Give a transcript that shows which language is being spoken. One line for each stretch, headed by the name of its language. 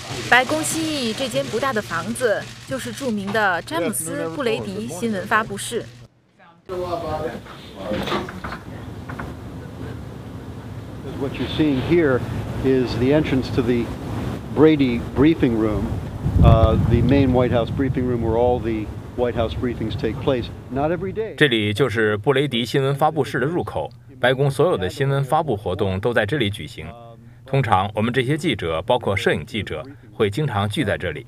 Chinese: 白宫西翼这间不大的房子就是著名的詹姆斯·布雷迪新闻发布室。
English: What you're seeing here is the entrance to the Brady briefing room, the main White House briefing room where all the White House briefings take place. Not every day.
Chinese: 这里就是布雷迪新闻发布室的入口。白宫所有的新闻发布活动都在这里举行。通常我们这些记者，包括摄影记者，会经常聚在这里。